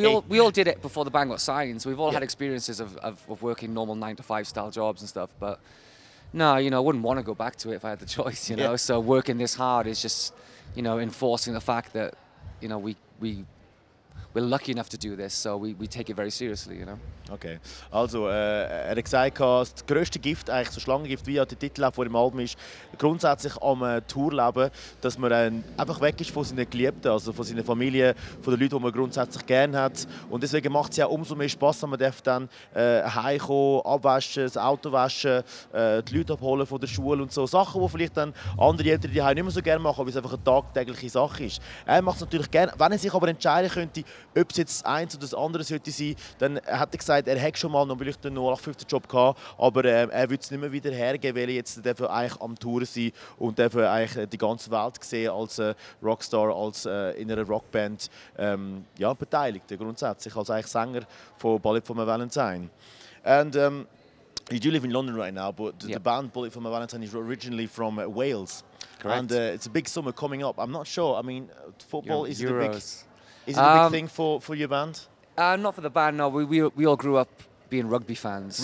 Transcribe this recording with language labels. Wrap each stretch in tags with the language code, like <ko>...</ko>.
<en>We all did it before the band got signed, so we've all had experiences of working normal 9 to 5 style jobs and stuff. But no, you know, I wouldn't want to go back to it if I had the choice, you know. So working this hard is just, you know, enforcing the fact that, you know, we're lucky enough to do this, so we take it very seriously, you know.</en> <de>Okay, also er hat gesagt, das grösste Gift, eigentlich so Schlangengift, wie auch der Titel auf dem Album ist, grundsätzlich am Tourleben, dass man einfach weg ist von seinen Geliebten, also von seiner Familie, von den Leuten, die man grundsätzlich gern hat. Und deswegen macht es ja umso mehr Spass, wenn man darf dann heimkommen, abwaschen, das Auto waschen, die Leute abholen von der Schule und so. Sachen, die vielleicht dann andere Eltern die nicht mehr so gerne machen, weil es einfach eine tagtägliche Sache ist. Er macht es natürlich gerne. Wenn er sich aber entscheiden könnte, ob es jetzt eins oder das andere sollte sein, dann hat er gesagt, er hätte schon mal noch vielleicht einen 0815 Job gehabt, aber er würde es nicht mehr wieder hergeben, weil er jetzt eigentlich am Tour sein und eigentlich die ganze Welt sehen als Rockstar, als in einer Rockband ja, beteiligt, grundsätzlich als eigentlich Sänger von Ballet von Valentine.</de> <en>And, you do live in London right now, but the band Bullet for My Valentine is originally from Wales. Correct. And it's a big summer coming up. I'm not sure. I mean, football, is it a big, is it a big thing for your band? Not for the band, no. We all grew up being rugby fans.</en>